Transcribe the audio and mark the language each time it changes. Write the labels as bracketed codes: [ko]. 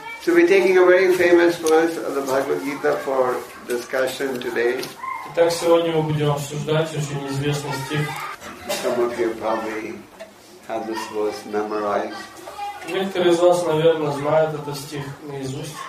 [en] So we're taking a very famous verse of the Bhagavad Gita for discussion today. [ru] Так сегодня мы будем обсуждать очень известный стих. [en] Some of you probably have this verse memorized. [ru] Некоторые из вас, наверное, знают этот стих наизусть.